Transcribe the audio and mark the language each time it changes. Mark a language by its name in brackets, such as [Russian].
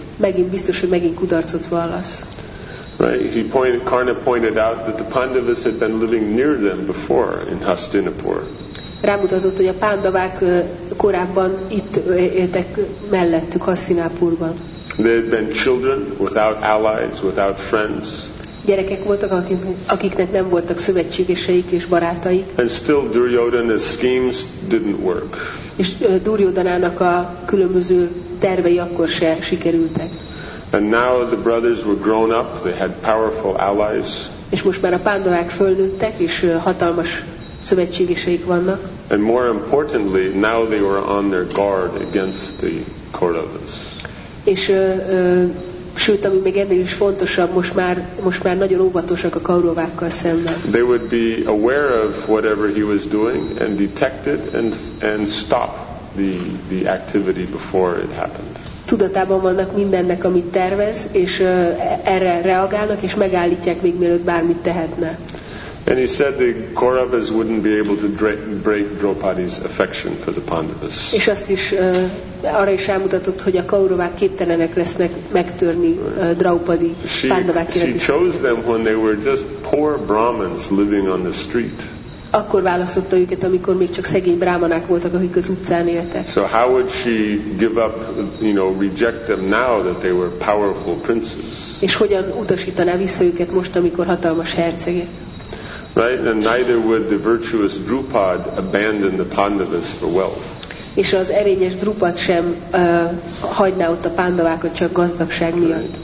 [Hungarian] Megint biztos, hogy megint kudarcot vallasz. [English] Right. Karna pointed out that the Pandavas had been living near them before in Hastinapur. [Hungarian] Rámutatott, hogy a Pandavák korábban itt éltek mellettük Hastinapurban. [English] They had been children without allies, without friends. [Hungarian] Gyerekek voltak, akiknek nem voltak szövetségeseik és barátaik. [English] And still Duryodhana's schemes didn't work. [Hungarian] És Duryodhanának a különböző tervei akkor se sikerültek. [English] And now the brothers were grown up, they had powerful allies. [Hungarian] És most már a Pandavák fölnőttek, és hatalmas szövetségeseik vannak. [English] And more importantly, now they were on their guard against the Kauravas. [Hungarian] És sőt, ami még ennél is fontosabb, most már nagyon óvatosak a Kauravákkal szemben. [English] They would be aware of whatever he was doing and detect it and stop the activity before it happened. [Hungarian] Tudatában vannak mindennek, amit tervez, és erre reagálnak, és megállítják még mielőtt bármit tehetne. [English] And he said the Kauravas wouldn't be able to break Draupadi's affection for the Pandavas. [Hungarian] És azt is arra is elmutatott, hogy a Kauravák képtelenek lesznek megtörni Draupadi Pandavák életét. [English] She chose them when they were just poor Brahmins living on the street. [Hungarian] Akkor választotta őket, amikor még csak szegény brámanák voltak, akik az utcán éltek. [English] So how would she give up, you know, reject them now that they were powerful princes? [Hungarian] És hogyan utasítaná vissza őket most, amikor hatalmas hercegek? [English] Right, and neither would the virtuous Drupad abandon the Pandavas for wealth. [Hungarian] És az erényes Drupad sem hagyná ott a Pandavákat csak gazdagság miatt.